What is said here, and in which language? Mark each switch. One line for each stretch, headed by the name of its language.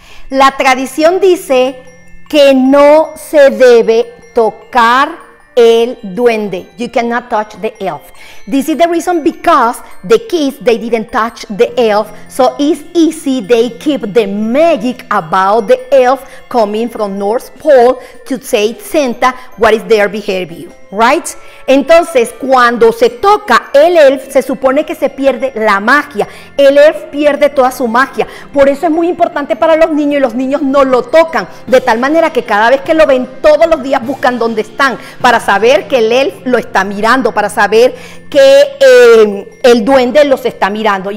Spanish: La tradición dice que no se debe tocar el duende.
English: You cannot touch the elf. This is the reason because the kids, they didn't touch the elf. So it's easy they keep the magic about the elf coming from North Pole to say Santa what is their behavior, right?
Spanish: Entonces, cuando se toca el elf, se supone que se pierde la magia. El elf pierde toda su magia. Por eso es muy importante para los niños y los niños no lo tocan. De tal manera que cada vez que lo ven, todos los días buscan dónde están para saber que el elf lo está mirando, para saber que el duende los está mirando.